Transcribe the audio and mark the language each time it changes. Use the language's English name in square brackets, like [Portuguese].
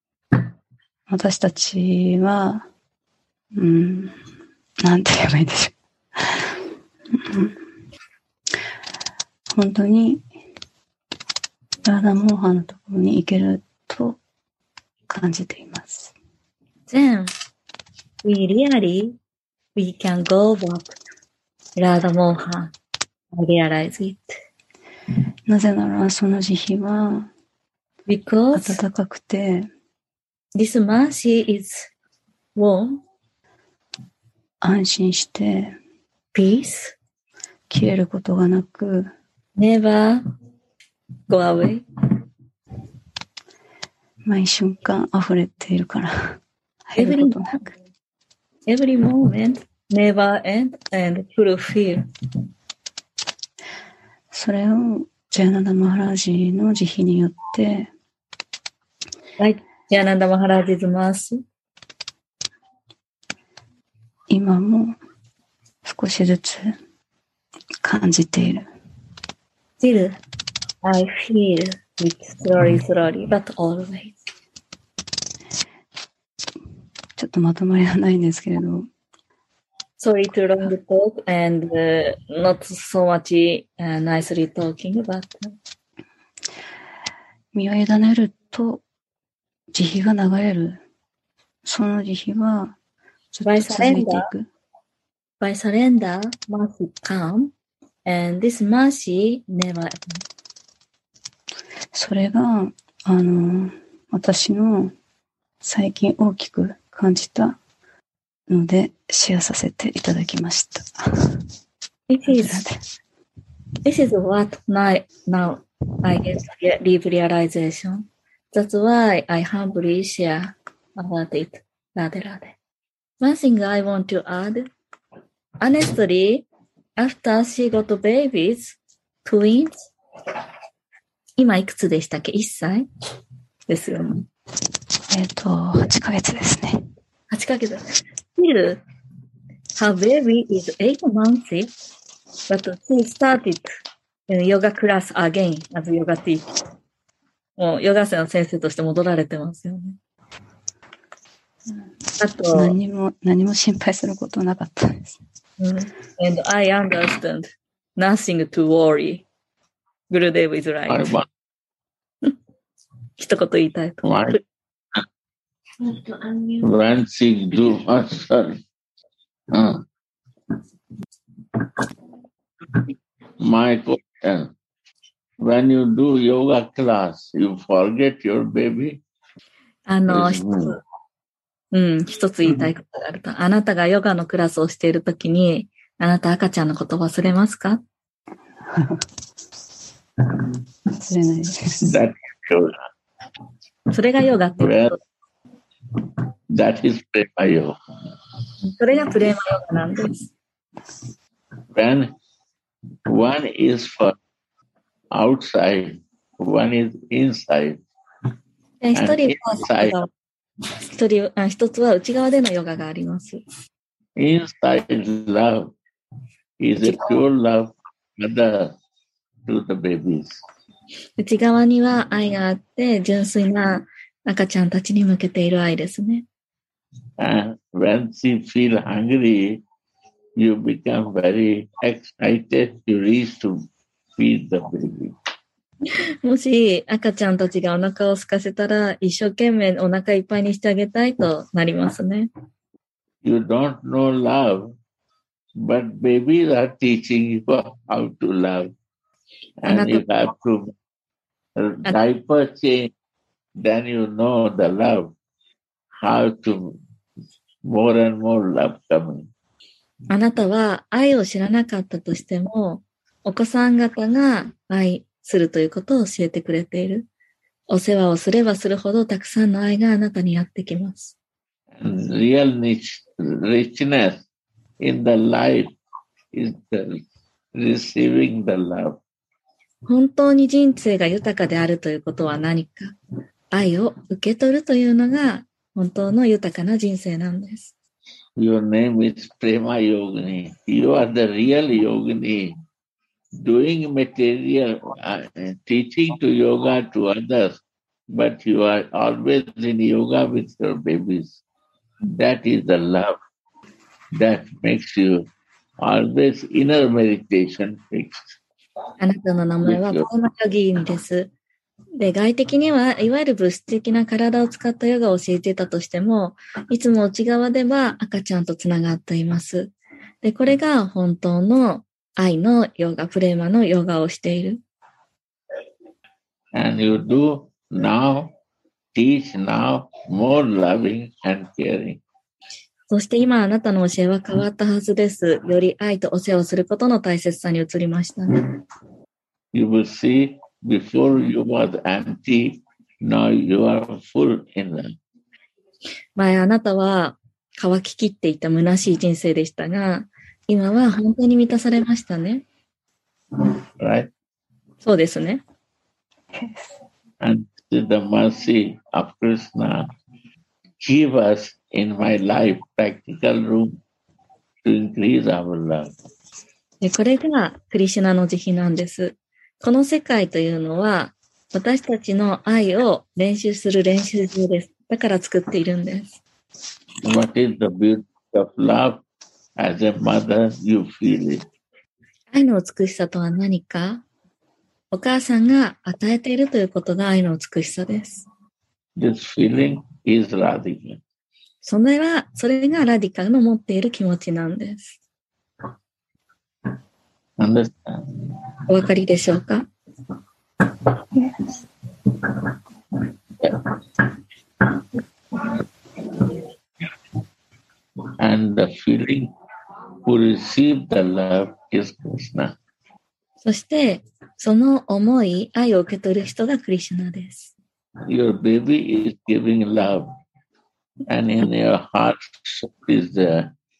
[Japanese] うん、私たちは、うん、なんて言えばいいんでしょう本当にラーダモーハンのところに行けると感じています。 [English] Then we really we can go backラーダモーハン、I realize it. [Japanese] なぜならその慈悲は [English] Because [Japanese] 温かくて [English] This mercy is warm. [Japanese] 安心して [English] Peace. [Japanese] 消えることがなく [English] Never go away. [Japanese] 毎瞬間溢れているから入ることなく [English] Every momentNever end and fulfill. [Japanese] それをジャナダ・マハラジの慈悲によって、 [English] Like ジャナダ・マハラジ's mercy, [Japanese] 今も少しずつ感じている。 [English] Still, I feel it slowly, slowly, but always. [Japanese] ちょっとまとまりはないんですけれど。 [English] Sorry to long talk and not so much nicely talking, but [Japanese] 身を委ねると慈悲が流れる。その慈悲はずっと続いていく。 [English] By surrender, mercy comes, and this mercy never ends. [Japanese] それが私の最近大きく感じた。のでシェアさせていただきました。 [English] This is what my now I get deep realization. That's why I humbly share about it. Rade rade. One thing I want to add. Honestly, after she got babies, twins. [Japanese] 今いくつでしたっけ？ 1歳ですよね。 8ヶ月ですね。 8ヶ月。 [English] Still, her baby is 8 months, but she started yoga class again as yoga teacher. [Japanese] もうヨガ生の先生として戻られてますよね。あと何も心配することなかったです。 [English] And I understand nothing to worry. Gurudev is right. [Japanese] 一言言いたいと思います。 [English] When she do master, my question, when you do yoga class, you forget your baby? [Japanese] うん、一つ言いたいことがあると。あなたがヨガのクラスをしているときに、あなた赤ちゃんのこと忘れますか？忘れないです。 [English] That's yoga. [Japanese] それがヨガってこと。Well, [English] That is prema yoga. [Japanese] それがプレマヨガなんです。 [English] When one is for outside, one is inside. [Japanese] 一つは内側でのヨガがあります。 [English] Inside love is a pure love mother to the babies. [Japanese] 内側には愛があって純粋な赤ちゃんたちに向けている愛ですね。 [English] When she feel hungry, you become very excited to reach to feed the baby. [Japanese] もし赤ちゃんたちがお腹を空かせたら、一生懸命お腹いっぱいにしてあげたいとなりますね。 [English] You don't know love, but babies are teaching you how to love. And you have to diaper change, then you know the love, how to more and more love coming. [Japanese] あなたは愛を知らなかったとしても、お子さん方が愛するということを教えてくれている。お世話をすればするほどたくさんの愛があなたにやってきます。 [English] Real richness in the life is the receiving the love. [Japanese] 本当に人生が豊かであるということは何か。愛を受け取るというのが本当の豊かな人生なんです。 [English] Your name is Prema Yogini. You are the real Yogini. Doing material, teaching to yoga to others, but you are always in yoga with your babies. That is the love that makes you always inner meditation fixed. [Japanese] あなたの名前はプレマヨギーニです。で、外的には、いわゆる物質的な体を使ったヨガを教えていたとしても、いつも内側では赤ちゃんとつながっています。で、これが本当の愛のヨガ、プレマのヨガをしている。 [English] And you do now, teach now, more loving and caring. [Japanese] そして今、あなたの教えは変わったはずです。より愛とお世話をすることの大切さに移りました。 [English] You will see. Before you was empty, now you are full in them. [Japanese] 前あなたは乾ききっていた虚しい人生でしたが、今は本当に満たされましたね。 [English] Right? [Japanese] そうですね。 [English] And the mercy of Krishna give us in my life practical room to increase our love. [Japanese] これがクリシュナの慈悲なんです。この世界というのは私たちの愛を練習する練習場です。だから作っているんです。 [English] What is the beauty of love? As a mother, you feel it. [Japanese] 愛の美しさとは何か？お母さんが与えているということが愛の美しさです。 [English] This feeling is radical. [Japanese] それがラディカの持っている気持ちなんです。 [English] Understand. [Japanese] お分かりでしょうか? [English] Yes. And the feeling who receive the love is Krishna. [Japanese] そしてその思い、愛を受け取る人がクリシュナです。 [English] Your baby is giving love, and in your heart is there.